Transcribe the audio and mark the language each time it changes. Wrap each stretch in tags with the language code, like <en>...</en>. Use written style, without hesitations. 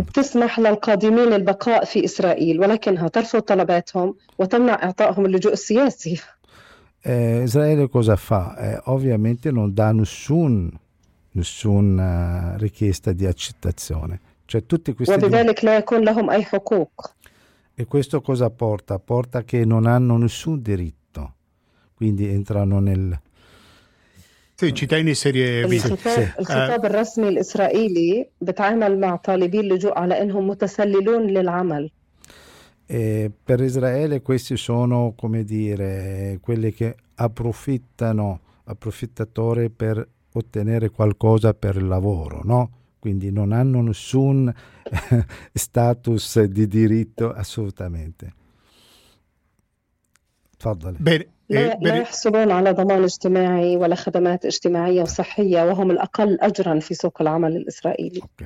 <ar>بتسمح للقادمين البقاء في إسرائيل ولكنها ترفض طلباتهم وتمنع إعطائهم اللجوء السياسي.</ar> <it>Israele cosa fa? Ovviamente non dà nessuna richiesta di accettazione. Cioè tutti questi e questo cosa porta? Porta che non hanno nessun diritto. Quindi entrano nel... Sì, ci tieni serie B.</it> <ar>Il خطاب الرسمي الإسرائيلي بتعامل مع طالبي اللجوء على إنهم متسللون للعمل.</ar> <it>Per Israele questi sono, come dire, quelli che approfittano, approfittatori per ottenere qualcosa per il lavoro, no? Quindi non hanno nessun status di diritto assolutamente.</it> <ar>Tfadale.</ar> <it>Bene.</it> <ar>لا يحصلون على ضمان اجتماعي ولا خدمات اجتماعية وصحية وهم الأقل أجرا في سوق العمل الإسرائيلي.</ar>